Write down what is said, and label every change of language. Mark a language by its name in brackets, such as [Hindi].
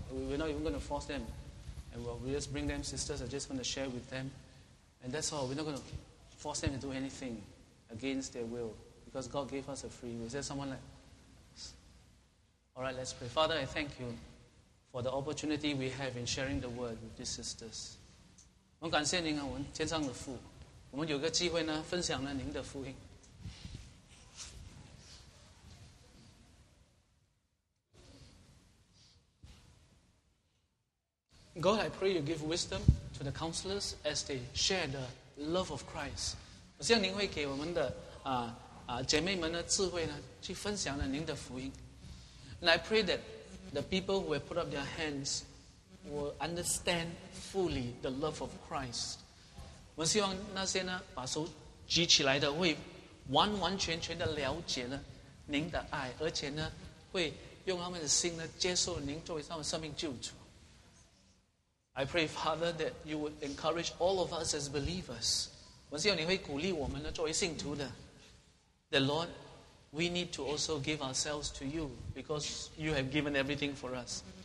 [English] We're not even going to force them. And we'll just bring them, sisters are just going to share with them. And that's all. We're not going to force them to do anything against their will because God gave us a free will. Is there someone like this? All right, let's pray. Father, I thank you for the opportunity we have in sharing the word with these sisters. [Chinese] 我们感谢您啊，我们天上的父，我们有个机会呢，分享了您的福音。 [English] God, I pray you give wisdom to the counselors as they share the love of Christ. [Chinese] 我希望您会给我们的姐妹们的智慧呢，去分享了您的福音。 [English] And I pray that the people who have put up their hands will understand fully the love of Christ. [Chinese] 我希望那些呢，把手举起来的会完完全全的了解了您的爱，而且呢，会用他们的心呢，接受您作为他们生命救主。 [English] I pray, Father, that you would encourage all of us as believers. [Chinese] 我希望你会鼓励我们呢，作为信徒的。 [English] The Lord, we need to also give ourselves to you because you have given everything for us.